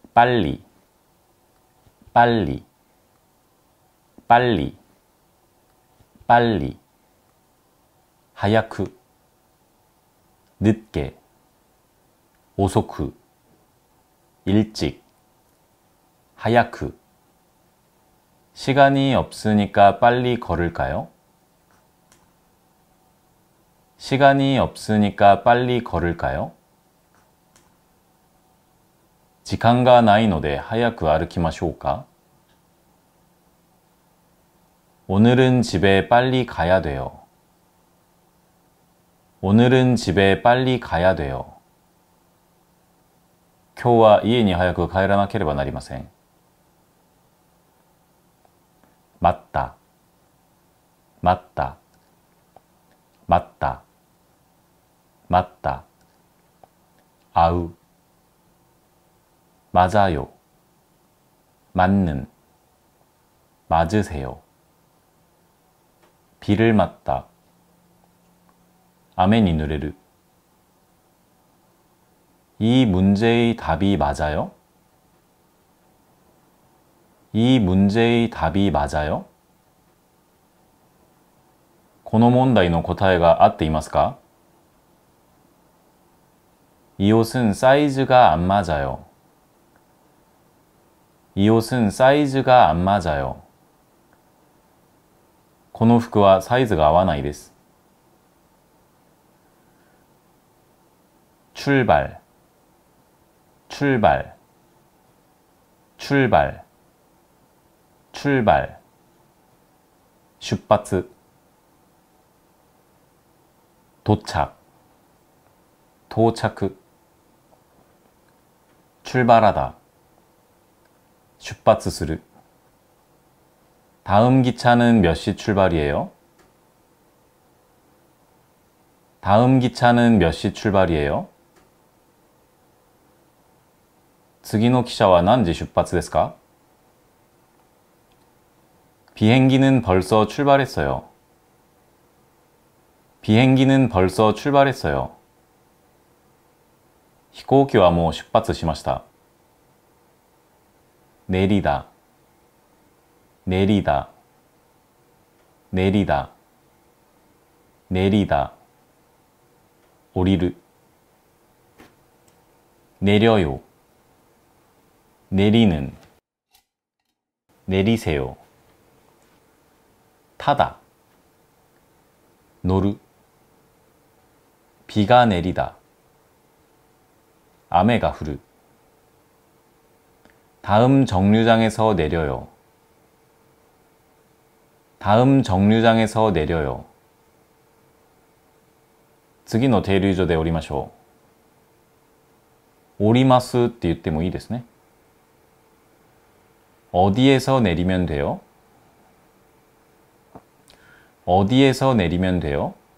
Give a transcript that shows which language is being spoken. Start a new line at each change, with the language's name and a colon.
Korean: 빨리빨리빨리빨리早く늦게遅く일찍早く시간이없으니까빨리걸을까요? 시간이없으니까빨리걸을까요?
Japanese: 時間がないので早く歩きましょうか?
Korean: 오늘은집에빨리가야돼요. 오늘은집에빨리가야돼요.
Japanese: 今日は家に早く帰らなければなりません。
Korean: 맞다. 맞다. 맞다. 맞다. 아우. 맞아요. 맞는. 맞으세요. 비를맞다. 아멘이누레르. 이문제의답이맞아요? 이문제의답이맞아요?
Japanese: この問題の答えが合っていますか?
Korean: 이옷은사이즈가안맞아요. 이옷은사이즈가안맞아요.
Japanese: この服はサイズが合わないです。
Korean: 출발출발출발출발슈빠츠도착도착출발하다슈빠츠스르다음기차는몇시출발이에요? 다음기차는몇시출발이에요?
Japanese: 次の汽車は何時出発ですか?
Korean: 비행기는벌써출발했어요. 비행기는벌써출발했어요.
Japanese: 飛行機はもう出発しました.
Korean: 내리다. 내리다. 내리다,내리다,오리르,내려요,내리는,내리세요,타다,노르,비가내리다,아메가흐르,다음정류장에서내려요. 다음정류장에서내려요.
Japanese: 次の停留所で降りましょう. 降りますって言ってもいいですね.
Korean: 어디에서내리면돼요? 어디에서내리면돼요?